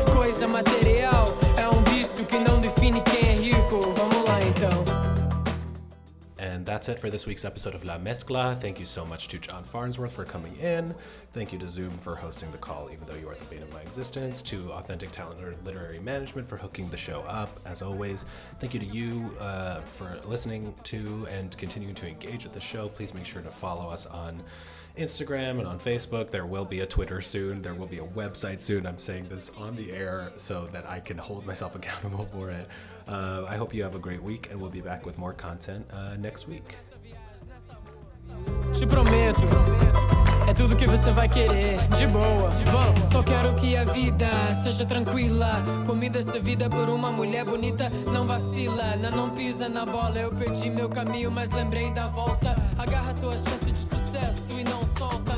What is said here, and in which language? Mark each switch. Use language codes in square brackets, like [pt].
[pt] Coisa material é um vício que não define quem é rico. Vamos lá então. [en] And that's it for this week's episode of La Mezcla. Thank you so much to John Farnsworth for coming in. Thank you to Zoom for hosting the call, even though you are the bane of my existence. To Authentic Talent or Literary Management for hooking the show up, as always. Thank you to you for listening to and continuing to engage with the show. Please make sure to follow us on Instagram and on Facebook. There will be a Twitter soon. There will be a website soon. I'm saying this on the air so that I can hold myself accountable for it. I hope you have a great week, and we'll be back with more content next week. [pt] Te prometo, é tudo que você vai querer, de boa. Bom, só quero que a vida seja tranquila. Comida servida por uma mulher bonita, não vacila, não pisa na bola. Eu perdi meu caminho, mas lembrei da volta. Agarra tua chance de sucesso e não solta.